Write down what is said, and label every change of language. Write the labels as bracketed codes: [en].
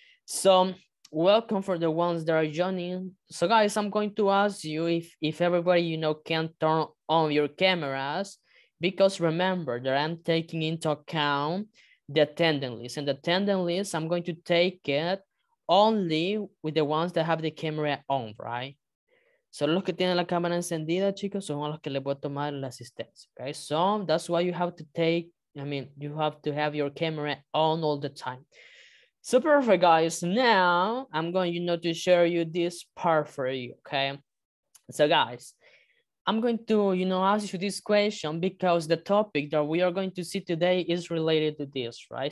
[en] So, welcome for the ones that are joining. So guys, I'm going to ask you if everybody, you know, can turn on your cameras, because remember that I'm taking into account the attendance list, and the attendance list, I'm going to take it only with the ones that have the camera on, right? [es] So los que tienen la cámara encendida, chicos, son los que les voy a tomar la asistencia, okay? [en] So that's why you have to take, I mean, you have to have your camera on all the time. So perfect, guys. Now I'm going, you know, to share you this part for you, okay? So guys, I'm going to, you know, ask you this question because the topic that we are going to see today is related to this, right?